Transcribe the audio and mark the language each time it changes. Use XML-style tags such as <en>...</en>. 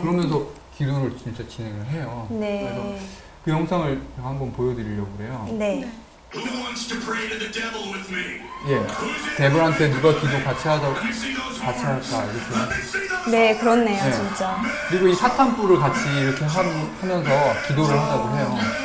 <ko>그러면서 기도를 진짜 진행을 해요. 네. 그래서 그 영상을 한번 보여드리려고 그래요. 네.</ko> <en>Who wants to pray to the devil with me?</en> <ko>예. 데블한테 누가 기도 같이 할까 이렇게. 네, 그렇네요, 네. 진짜. 그리고 이 사탄불을 같이 이렇게 하면서 기도를 한다고 해요.</ko>